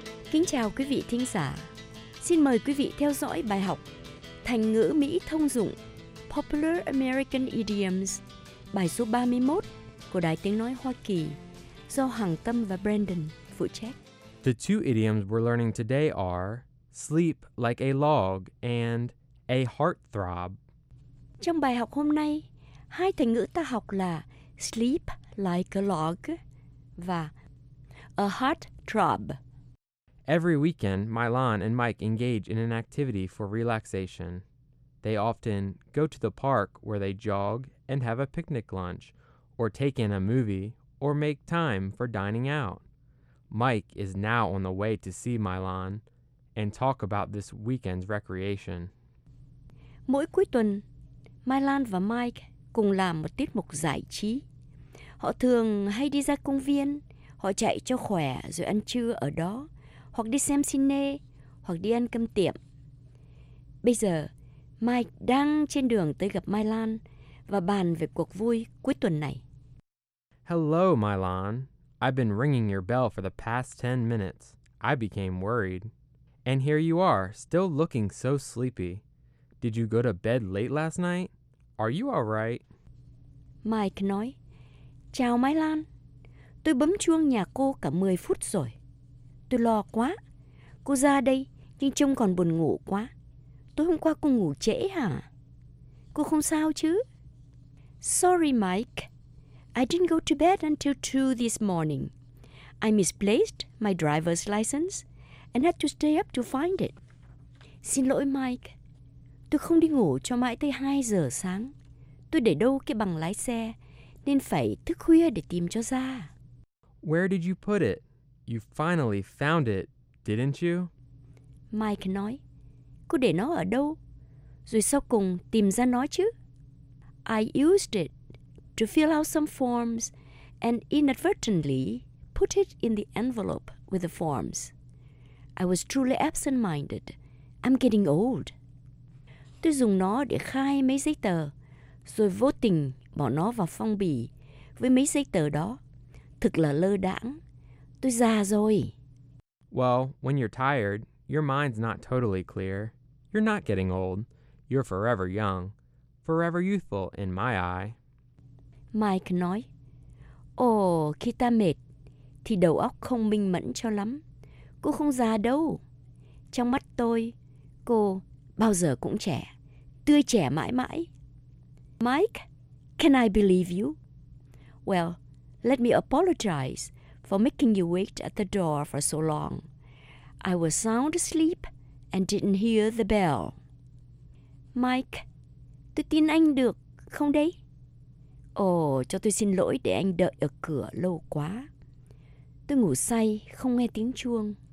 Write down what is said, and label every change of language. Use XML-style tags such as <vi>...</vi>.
<vi>Kính chào quý vị thính giả. Xin mời quý vị theo dõi bài học Thành ngữ Mỹ thông dụng</vi> <en>Popular American Idioms,</en> <vi>bài số 31 của Đài Tiếng Nói Hoa Kỳ do Hằng Tâm và Brandon phụ trách.</vi> <en>The two idioms we're learning today are sleep like a log and a heartthrob.</en> <vi>Trong bài học hôm nay, hai thành ngữ ta học là</vi> <en>sleep like a log</en> <vi>và a heartthrob.</vi> <en>Every weekend, Mylon and Mike engage in an activity for relaxation. They often go to the park where they jog and have a picnic lunch, or take in a movie, or make time for dining out. Mike is now on the way to see Mylon and talk about this weekend's recreation.</en> <vi>Mỗi cuối tuần, Mylon và Mike cùng làm một tiết mục giải trí. Họ thường hay đi ra công viên, họ chạy cho khỏe rồi ăn trưa ở đó. Hoặc đi xem cine, hoặc đi ăn cơm tiệm. Bây giờ, Mike đang trên đường tới gặp Mylon và bàn về cuộc vui cuối tuần này.</vi> <en>Hello, Mylon. I've been ringing your bell for the past 10 minutes. I became worried. And here you are, still looking so sleepy. Did you go to bed late last night? Are you all right?</en> <vi>Mike nói, chào Mylon. Tôi bấm chuông nhà cô cả 10 phút rồi. Tôi lo quá. Cô ra đây, nhưng trông còn buồn ngủ quá. Tối hôm qua cô ngủ trễ hả? Cô không sao chứ?</vi> <en>Sorry, Mike. I didn't go to bed until 2 this morning. I misplaced my driver's license and had to stay up to find it.</en> <vi>Xin lỗi, Mike. Tôi không đi ngủ cho mãi tới 2 giờ sáng. Tôi để đâu cái bằng lái xe, nên phải thức khuya để tìm cho ra.</vi> <en>Where did you put it? You finally found it, didn't you?</en> <vi>Mike nói, cô để nó ở đâu? Rồi sau cùng tìm ra nó chứ?</vi> <en>I used it to fill out some forms and inadvertently put it in the envelope with the forms. I was truly absent-minded. I'm getting old.</en> <vi>Tôi dùng nó để khai mấy giấy tờ, rồi vô tình bỏ nó vào phong bì với mấy giấy tờ đó. Thực là lơ đãng. Tôi già rồi.</vi> <en>Well, when you're tired, your mind's not totally clear. You're not getting old. You're forever young. Forever youthful in my eye.</en> <vi>Mike nói, ồ, khi ta mệt, thì đầu óc không minh mẫn cho lắm. Cô không già đâu. Trong mắt tôi, cô bao giờ cũng trẻ. Tươi trẻ mãi mãi.</vi> <en>Mike, can I believe you? Well, let me apologize for making you wait at the door for so long. I was sound asleep and didn't hear the bell.</en> <vi>Mike, tôi tin anh được, không đấy? Ồ, cho tôi xin lỗi để anh đợi ở cửa lâu quá. Tôi ngủ say, không nghe tiếng chuông.</vi>